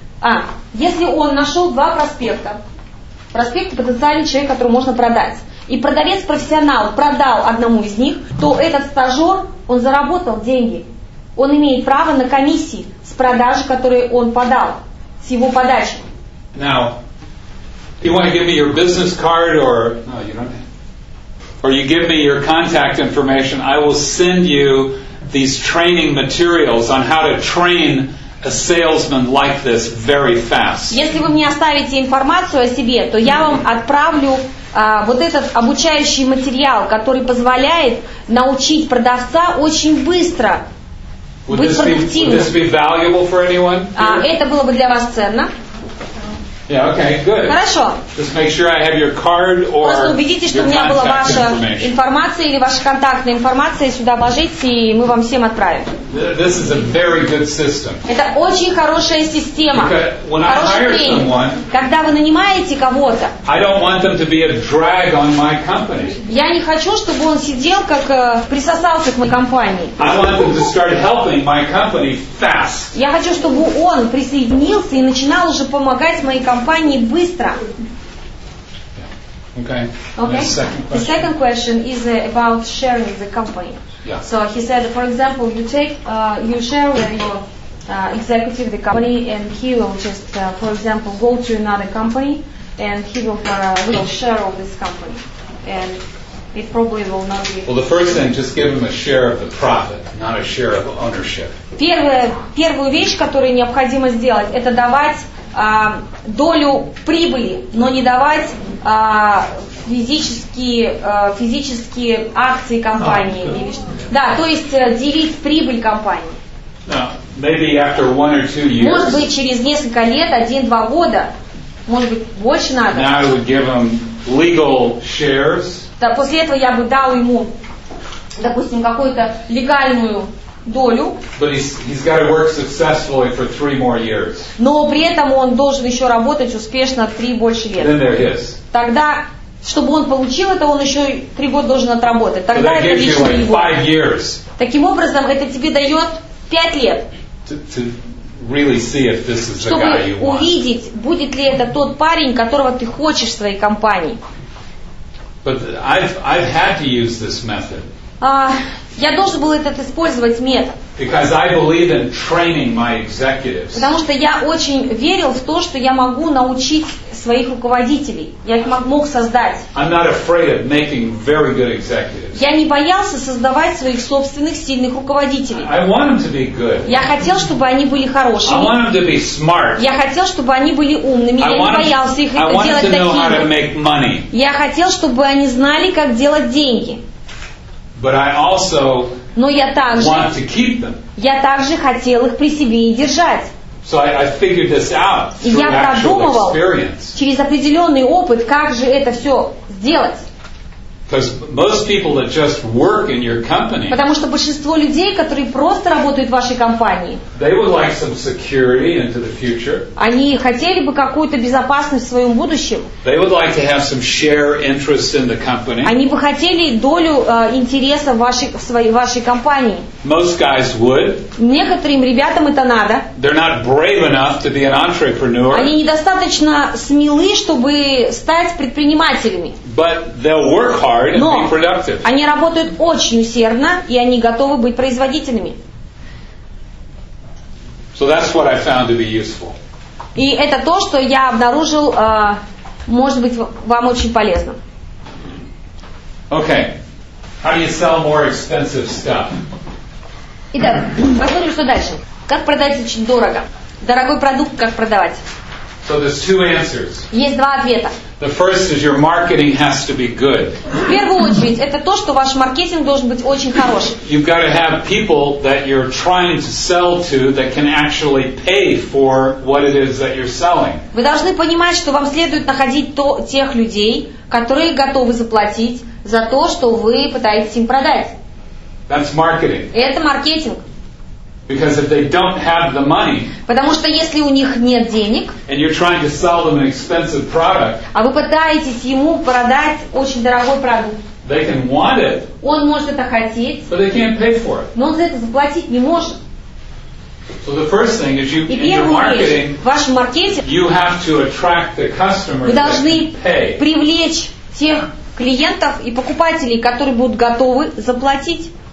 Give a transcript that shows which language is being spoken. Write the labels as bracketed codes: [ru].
[ru] А если он нашел два проспекта, проспект потенциальный человек, которого можно продать, и продавец профессионал продал одному из них, то этот стажер, он заработал деньги, он имеет право на комиссии с продажи, которые он подал. С его подачи. [en] Now, do you want to give me your business card or no, you don't. Or you give me your contact information, I will send you these training materials on how to train a salesman like this very fast. [ru] Если вы мне оставите информацию о себе, то я вам отправлю вот этот обучающий материал, который позволяет научить продавца очень быстро. [en] Would this be valuable for anyone? [ru] Это было бы для вас ценно. [en] Yeah, okay, good. [ru] Хорошо. [en] Just make sure I have your card or [ru] просто убедитесь, что у меня была ваша информация или ваша контактная информация, сюда вложите, и мы вам всем отправим. [en] This is a very good system. [ru] Это очень хорошая система. Хороший тренинг. Когда вы нанимаете кого-то, [en] I don't want them to be a drag on my company. [ru] Я не хочу, чтобы он сидел, как присосался к моей компании. [en] I want them to start helping my company fast. [ru] Я хочу, чтобы он присоединился и начинал уже помогать моей компании быстро. [en] Okay. The second question is about sharing the company. Yeah. So he said, for example, you take you share with your executive the company, and he will just for example go to another company and he will for a little share of this company, and it probably will not be. Well, the first thing, just give him a share of the profit, not a share of ownership. [ru] Первую вещь, которую необходимо сделать, это давать долю прибыли, но не давать физические акции компании. Да, то есть делить прибыль компании. [en] Maybe after one or two years. [ru] Может быть, через несколько лет, 1-2 года, может быть, больше надо. [en] Now I would give him legal shares. [ru] Да, после этого я бы дал ему, допустим, какую-то легальную долю. [en] But he's got to work successfully for 3 more years. [ru] Но при этом он должен еще работать успешно 3 больше лет. [en] Then they're his. [ru] Тогда, чтобы он получил это, он еще 3 года должен отработать. Тогда это лично [en] like 5 years. [ru] Таким образом, это тебе дает 5 лет. [en] To really see if this is [ru] чтобы [en] the guy you want. [ru] Увидеть, будет ли это тот парень, которого ты хочешь в своей компании. [en] But I've had to use this method. [ru] Я должен был этот использовать метод. Потому что я очень верил в то, что я могу научить своих руководителей. Я их мог создать. Я не боялся создавать своих собственных сильных руководителей. Я хотел, чтобы они были хорошими. Я хотел, чтобы они были умными. Я не боялся их делать такими. Я хотел, чтобы они знали, как делать деньги. [en] But I also want to keep them. [ru] Я также хотел их при себе и держать. [en] So I figured this out through actual experience. [ru] Через определенный опыт, как же это все сделать? [en] Because most people that just work in your company. [ru] Потому что большинство людей, которые просто работают в вашей компании. [en] They would like some security into the future. [ru] Они хотели бы какую-то безопасность в своем будущем. [en] They would like to have some share interest in the company. [ru] Они бы хотели долю интереса в вашей компании. [en] Most guys would. [ru] Некоторым ребятам это надо. [en] They're not brave enough to be an entrepreneur. [ru] Они недостаточно смелы, чтобы стать предпринимателями. [en] But they'll work hard and [ru] Но [en] be productive. [ru] Они работают очень усердно, и они готовы быть производительными. [en] So that's what I found to be useful. [ru] И это то, что я обнаружил, может быть, вам очень полезным. [en] Okay. How do you sell more expensive stuff? [ru] Итак, посмотрим, что дальше. Как продать очень дорого? Дорогой продукт, как продавать? [en] So there's two answers. [ru] Есть два ответа. [en] The first is your marketing has to be good. [ru] В первую очередь, это то, что ваш маркетинг должен быть очень хорошим. [en] You've got to have people that you're trying to sell to that can actually pay for what it is that you're selling. [ru] Вы должны понимать, что вам следует находить тех людей, которые готовы заплатить за то, что вы пытаетесь им продать. [en] That's marketing. [ru] Это маркетинг. [en] Because if they don't have the money, [ru] потому что если у них нет денег, [en] and you're trying to sell them an expensive product, [ru] а вы пытаетесь ему продать очень дорогой продукт, [en] they can want it, [ru] он может это хотеть, [en] but they can't pay for it. [ru] Но он за это заплатить не может. [en] So the first thing is you, in your marketing, [ru] в вашем маркетинге, [en] you have to attract the customers, [ru] вы должны привлечь тех клиентов и покупателей, которые будут готовы заплатить.